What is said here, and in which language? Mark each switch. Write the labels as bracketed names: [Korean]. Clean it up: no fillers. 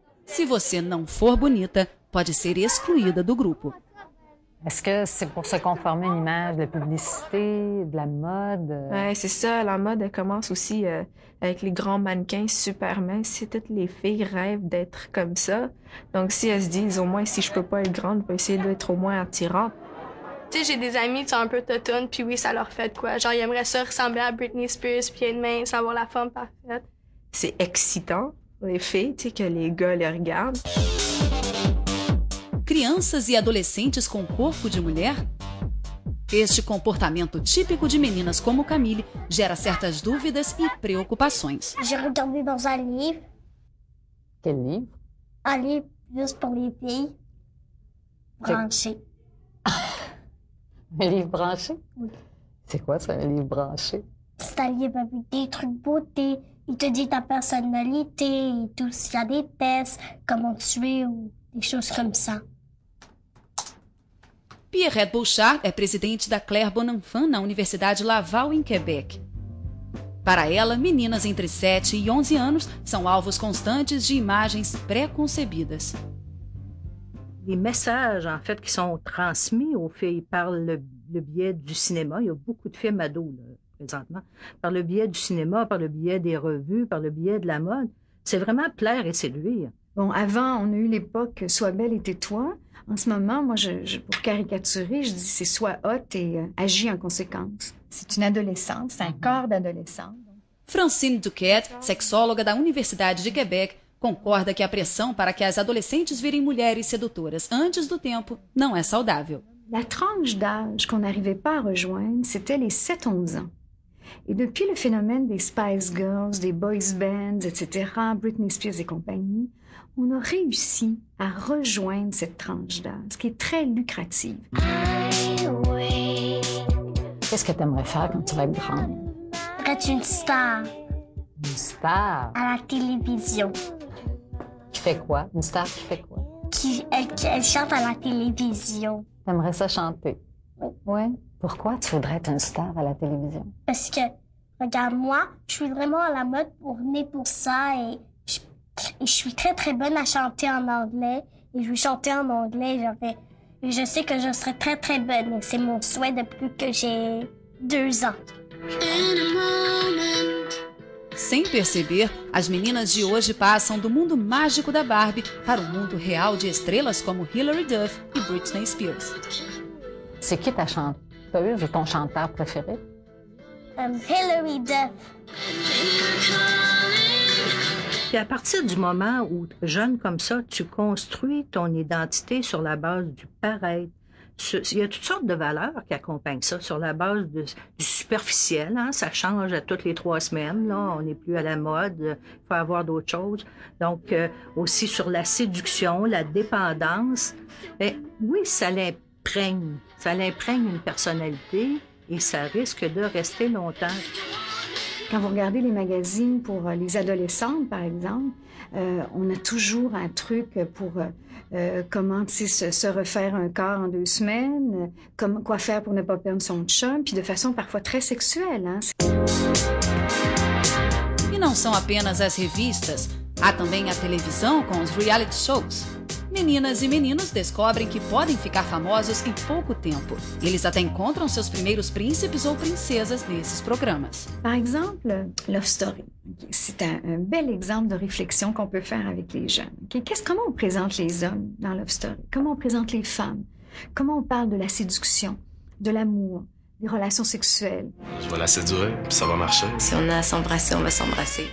[Portuguese] Se você não for bonita, pode ser excluída do grupo. [French] Est-ce que c'est pour se conformer à une image de la publicité, de la mode? Ouais, c'est ça. La mode commence aussi avec les grands mannequins super minces. Toutes les filles rêvent d'être comme ça. Donc, si elles se disent, au moins, si je peux pas être grande, je vais essayer d'être au moins attirante. Tu sais, j'ai des amis qui sont un peu totounes, puis oui, ça leur fait de quoi. Genre, ils aimeraient ça ressembler à Britney Spears, puis être mince, avoir la forme parfaite. C'est excitant, les filles, tu sais, que les gars les regardent. [Portuguese] Crianças e adolescentes com corpo de mulher? Este comportamento típico de meninas como Camille gera certas dúvidas e preocupações. [French] J'ai regardé dans un livre. Quel livre? Un livre juste pour les filles. Branché. Un livre branché? Oui. C'est quoi, ça, un livre branché? C'est un livre avec des trucs beauté. Il te dit ta personnalité et tout, s'il y a des tests, comment tu es ou des choses comme ça. [Portuguese] Pierrette Bouchard é presidente da Claire Bonanfant na Universidade Laval, em Quebec. Para ela, meninas entre 7 e 11 anos são alvos constantes de imagens pré-concebidas. [French] Les messages, en fait, qui sont transmis aux filles par le biais du cinéma, il y a beaucoup de films ados, là, présentement, par le biais du cinéma, par le biais des revues, par le biais de la mode, c'est vraiment plaire et séduire. Bon, avant, on a eu l'époque « Sois belle et tais-toi ». En ce moment, moi, pour caricaturer, je dis c'est « Sois haute et agis en conséquence ». C'est une adolescente, c'est un corps d'adolescente. Francine Duquette, sexóloga da Université de Québec, concorda que a pressão para que as adolescentes virem mulheres sedutoras antes do tempo não é saudável. La tranche d'âge qu'on n'arrivait pas à rejoindre, c'était les 7-11 ans. Et depuis le phénomène des Spice Girls, des boys bands, etc., Britney Spears et compagnie, on a réussi à rejoindre cette tranche d'âge, ce qui est très lucrative. Qu'est-ce que tu aimerais faire quand tu vas être grande? Être une star. Une star? À la télévision. Qui fait quoi? Une star qui fait quoi? Elle chante à la télévision. T'aimerais ça chanter? Oui. Ouais. Pourquoi tu voudrais être une star à la télévision? Parce que, regarde, moi, je suis vraiment à la mode pour née pour ça et je suis très, très bonne à chanter en anglais. Et je veux chanter en anglais et je sais que je serai très, très bonne. Et c'est mon souhait depuis que j'ai 2 ans. [English] In a moment. [Portuguese] Sem perceber, as meninas de hoje passam do mundo mágico da Barbie para o mundo real de estrelas como Hilary Duff e Britney Spears. [French] C'est qui ta chanteuse ou ton chanteur préféré? Hilary Duff. Puis à partir du moment où, jeune comme ça, tu construis ton identité sur la base du paraître, il y a toutes sortes de valeurs qui accompagnent ça, sur la base du superficiel. Hein, ça change à toutes les trois semaines. Là, on n'est plus à la mode, il faut avoir d'autres choses. Donc, aussi sur la séduction, la dépendance. Mais oui, ça l'imprègne. Ça l'imprègne une personnalité et ça risque de rester longtemps. Quand vous regardez les magazines pour les adolescentes, par exemple, on a toujours un truc pour comment se refaire un corps en deux semaines, quoi faire pour ne pas perdre son chum, puis de façon parfois très sexuelle. Hein? [Portuguese] E não são apenas as revistas. Há também a televisão com os reality shows. Meninas e meninos descobrem que podem ficar famosos em pouco tempo. Eles até encontram seus primeiros príncipes ou princesas nesses programas. [French] Par exemple, Love Story. C'est un bel exemple de réflexion qu'on peut faire avec les jeunes. Comment on présente les hommes dans Love Story? Comment on présente les femmes? Comment on parle de la séduction, de l'amour, des relations sexuelles? Je vais la séduire, puis ça va marcher. Si on a à s'embrasser, on va s'embrasser.